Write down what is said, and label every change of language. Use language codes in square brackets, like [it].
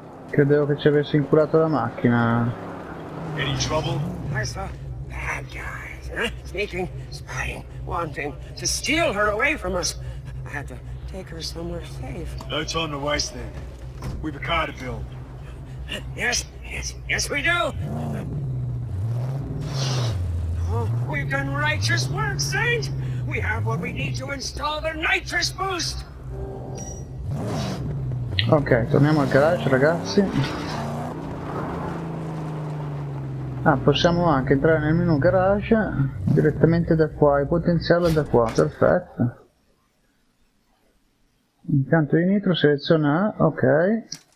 [it] Credevo che ci avesse inculato la macchina. [en] Any trouble? [it] Questo? [en] Bad guys, eh? Sneaking, spying, wanting to steal her away from us. I had to take her somewhere safe. No time to waste then. We've a car to build. Yes, yes, yes we do! Oh, we've done righteous work, Saint! We have what we need to install the nitrous boost! [it] Ok, torniamo al garage, ragazzi. Ah, possiamo anche entrare nel menu garage direttamente da qua e potenziarlo da qua, perfetto. Impianto di nitro, seleziona A, ok.